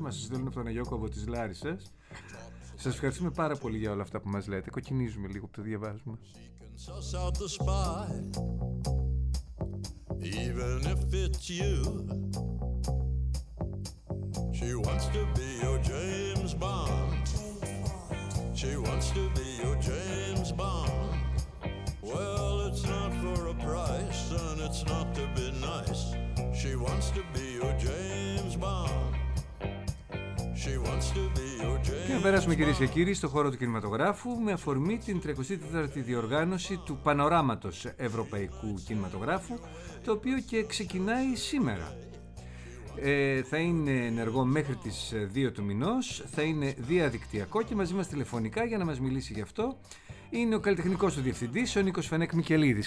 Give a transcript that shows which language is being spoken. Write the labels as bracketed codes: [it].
[el] Μας στέλνουν από τον Αγιώκο από τις Λάρισσες. Σας ευχαριστούμε πάρα πολύ για όλα αυτά που μας λέτε. Κοκκινίζουμε λίγο από το διαβάσμα. [en] can suss out the spy, even if it's you. She wants to be your James Bond. She wants to be your James Bond. Well, it's not for a price, and it's not to be nice. She wants to be your James Bond. She wants to be your James Bond. [el] Και να περάσουμε, κυρίες και κύριοι, στον χώρο του κινηματογράφου με αφορμή την 34η διοργάνωση του Πανοράματος Ευρωπαϊκού Κινηματογράφου, το οποίο και ξεκινάει σήμερα. Θα είναι ενεργό μέχρι τις 2 του μηνός, θα είναι διαδικτυακό και μαζί μας τηλεφωνικά για να μας μιλήσει γι' αυτό είναι ο καλλιτεχνικός του διευθυντής, ο Νίκος Φενέκ Μικελίδης.